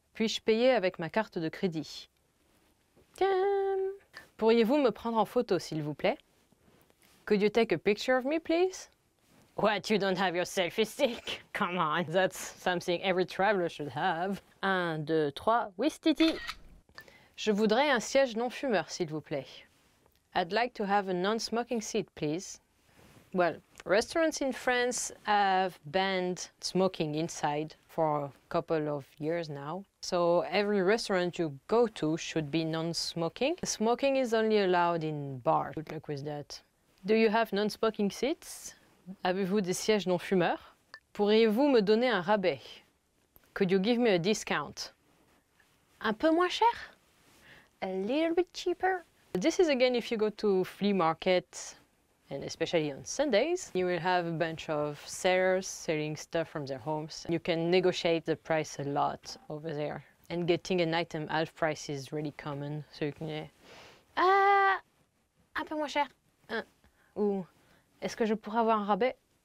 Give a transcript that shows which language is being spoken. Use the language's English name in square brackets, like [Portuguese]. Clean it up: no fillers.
[French] Puis-je payer avec ma carte de crédit? Pourriez-vous me prendre en photo, s'il vous plaît? [English] Could you take a picture of me, please? What, you don't have your selfie stick? Come on, that's something every traveler should have. [French] 1, 2, 3, whistiti! Je voudrais un siège non-fumeur, s'il vous plaît. [English] I'd like to have a non-smoking seat, please. Well, restaurants in France have banned smoking inside for a couple of years now. So every restaurant you go to should be non-smoking. Smoking is only allowed in bars. Good luck with that. Do you have non-smoking seats? [French] Avez-vous des sièges non-fumeurs? Pourriez-vous me donner un rabais? [English] Could you give me a discount? [French] Un peu moins cher? [English] A little bit cheaper? This is again if you go to flea market, and especially on Sundays, you will have a bunch of sellers selling stuff from their homes. You can negotiate the price a lot over there. And getting an item half price is really common. So you can say, [French] un peu moins cher. Ou, est-ce que je pourrais avoir un rabais?